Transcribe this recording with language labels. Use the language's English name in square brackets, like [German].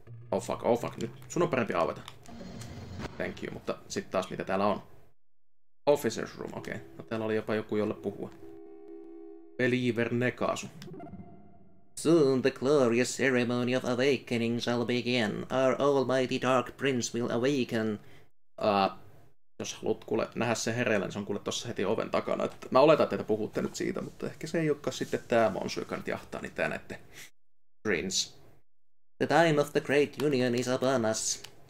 [English] Oh fuck, [Finnish] nyt sun on parempi avata. [English] Thank you, [Finnish] mutta sit taas mitä täällä on. Officer's room, okei. Okay. No täällä oli jopa joku, jolle puhua. [English] Believer Nekasu. Soon the glorious ceremony of awakening shall begin. Our almighty dark prince will awaken. [Finnish] Jos haluat kuule nähdä sen hereillä, niin se on kuule tossa heti oven takana. Et mä oletan, että te puhutte nyt siitä, mutta ehkä se ei olekaan sitten tää monsu, joka nyt jahtaa, niin tää näette. Prince. [English] The time of the Great Union is upon us.